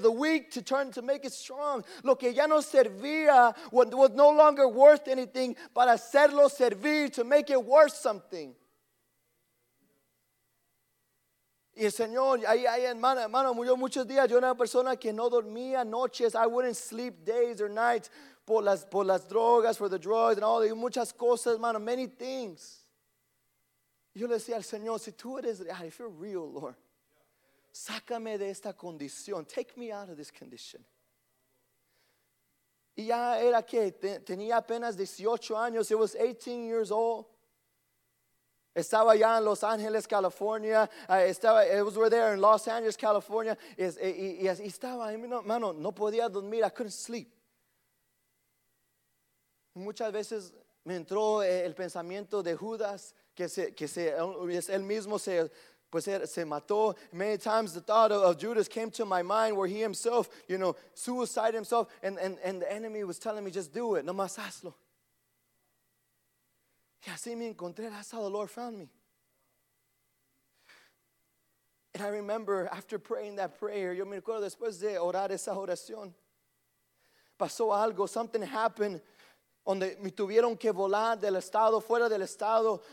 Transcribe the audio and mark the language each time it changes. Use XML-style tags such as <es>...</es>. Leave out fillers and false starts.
<en>The weak, to make it strong.</en> <es>Lo que ya no servía,</es> <en>what was no longer worth anything,</en> <es>para hacerlo servir,</es> <en>to make it worth something.</en> <es>Y el Señor, ahí hermano, murió muchos días. Yo era una persona que no dormía noches.</es> <en>I wouldn't sleep days or nights</en> <es>por las drogas,</es> <en>for the drugs and all.</en> <es>Y muchas cosas, hermano,</es> <en>many things.</en> <es>Yo le decía al Señor, si tú eres real,</es> <en>if you're real, Lord,</en> <es>sácame de esta condición.</es> <en>Take me out of this condition.</en> <es>Y ya era que tenía apenas 18 años.</es> <en>It was 18 years old.</en> <es>Estaba ya en Los Ángeles, California.</es> <en>It was there in Los Angeles, California.</en> <es>Y estaba, hermano, no podía dormir.</es> <en>I couldn't sleep.</en> <es>Muchas veces me entró el pensamiento de Judas, que él mismo se mató.</es> <en>Many times the thought of Judas came to my mind, where he himself, you know, suicide himself, and the enemy was telling me, just do it,</en> <es>nomás hazlo. Y así me encontré,</es> <en>that's how the Lord found me. And I remember after praying that prayer,</en> <es>yo me recuerdo después de orar esa oración, pasó algo,</es> <en>something happened,</en> <es>donde me tuvieron que volar del estado, fuera del estado.</es>